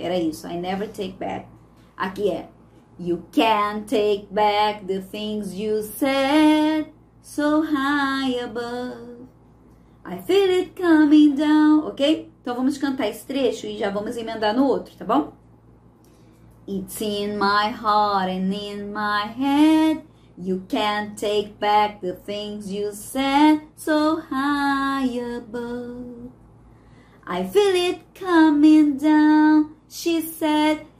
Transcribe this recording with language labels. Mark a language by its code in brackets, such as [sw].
[pt] Era isso, [en] I never take back. [pt] Aqui é. [en] You can take back the things you said so high above. I feel it coming down. Ok? [pt] Então vamos cantar esse trecho e já vamos emendar no outro, tá bom? [en] It's in my heart and in my head. You can take back the things you said so high above. I feel it coming down, she said.